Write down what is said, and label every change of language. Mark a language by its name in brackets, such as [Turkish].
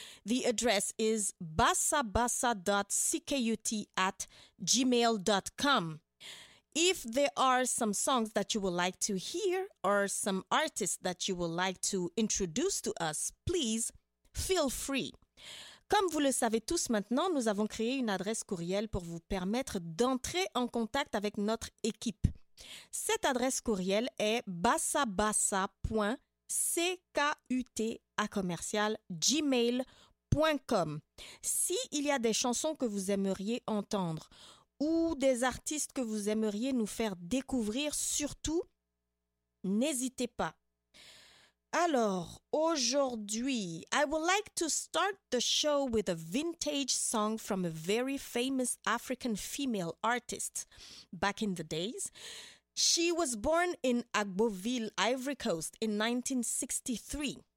[English] The address is basabasa.ckut@gmail.com. If there are some songs that you would like to hear or some artists that you would like to introduce to us, please feel free. [French] Comme vous le savez tous maintenant, nous avons créé une adresse courriel pour vous permettre d'entrer en contact avec notre équipe. Cette adresse courriel est basabasa.ckut@gmail.com. S'il y a des chansons que vous aimeriez entendre ou des artistes que vous aimeriez nous faire découvrir, surtout, n'hésitez pas. Alors, aujourd'hui, [English] I would like to start the show with a vintage song from a very famous African female artist back in the days. She was born in Agboville, Ivory Coast, in 1963.